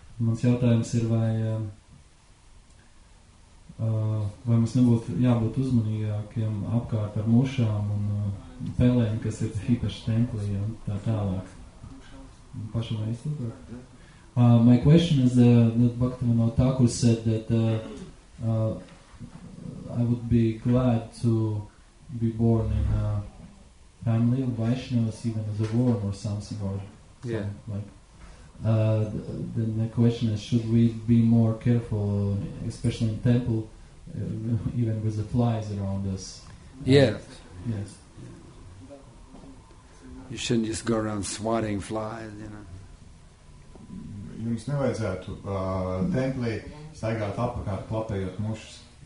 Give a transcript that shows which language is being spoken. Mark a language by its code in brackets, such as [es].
[lv] Mans jautājums ir, vai mums nebūtu jābūt uzmanīgākiem apkārt ar mušām un pelēm, kas ir īpaši templī un tā tālāk. Pašam vai izsūtāk? [en] My question is that Bhaktivinoda Thakur said that I would be glad to be born in a family of Vaishnavas, even as a worm or something. Then the question is, should we be more careful, especially in temple, even with the flies around us? Yes. You shouldn't just go around swatting flies, you know. [lv] Jums nevajadzētu templī staigāt apakārt klapējot mušas.